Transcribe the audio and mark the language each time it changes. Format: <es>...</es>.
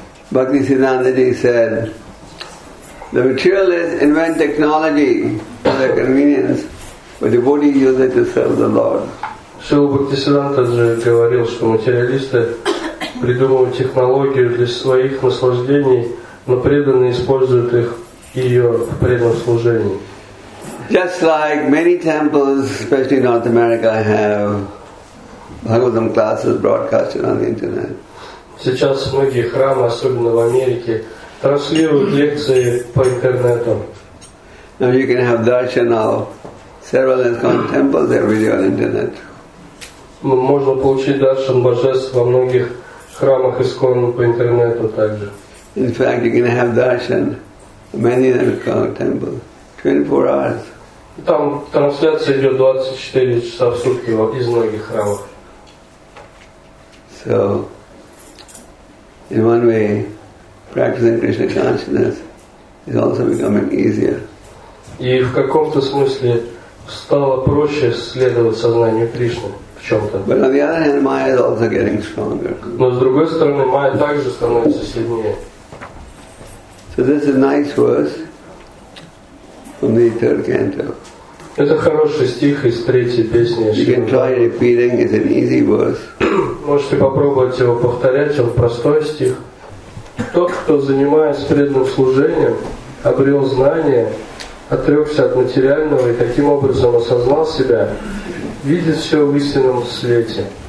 <en>Bhakti Siddhanta Ji said, the materialists invent technology for their convenience, but the devotees use it to serve the Lord.</en> <ru>Шрила Бхакти Сиддханта Джи говорил, что материалисты придумывают технологию для своих наслаждений, но преданные используют их ее в преданном служении.</ru> <en>Just like many temples, especially in North America, have Bhagavatam classes broadcasted on the internet.</en> <ru>Сейчас многие храмы, особенно в Америке, транслируют лекции по интернету.</ru> <en>Now you can have darshan of several ISKCON temples every day on internet.</en> <ru>Можно получить даршан божеств во многих храмах ISKCON по интернету также.</ru> <en>In fact, you can have darshan many ISKCON temples 24 hours.</en> <ru>Там трансляция идет 24 часа в сутки из многих храмов.</ru> <en>So, in one way, practicing Krishna consciousness is also becoming easier.</en> <ru>И в каком-то смысле стало проще следовать сознанию Кришны в чем-то.</ru> <en>But on the other hand, Maya is also getting stronger.</en> <ru>Но с другой стороны, Maya также становится сильнее.</ru> <en>So this is a nice verse from the third canto.</en> <ru>Это хороший стих из третьей песни.</ru> <en>You can try repeating. It's an easy verse.</en> <ru>Можете попробовать его повторять, он простой стих. Тот, кто, занимаясь преданным служением, обрел знание, отрекся от материального и таким образом осознал себя, видит все в истинном свете.</ru>